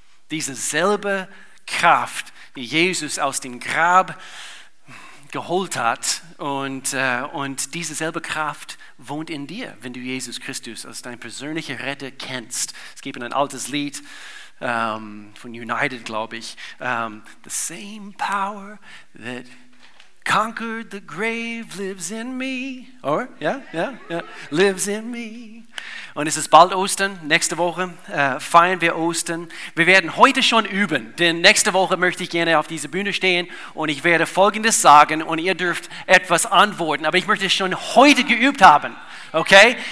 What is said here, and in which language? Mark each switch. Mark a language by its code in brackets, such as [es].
[de] Diese selbe Kraft, die Jesus aus dem Grab geholt hat, und diese selbe Kraft wohnt in dir, wenn du Jesus Christus als dein persönlicher Retter kennst. Es gibt ein altes Lied von United, glaube ich. [en] The same power that conquered the grave lives in me. Or? Yeah. Lives in me. [de] Und es ist bald Ostern, nächste Woche feiern wir Ostern. Wir werden heute schon üben, denn nächste Woche möchte ich gerne auf dieser Bühne stehen und ich werde Folgendes sagen und ihr dürft etwas antworten, aber ich möchte es schon heute geübt haben, okay?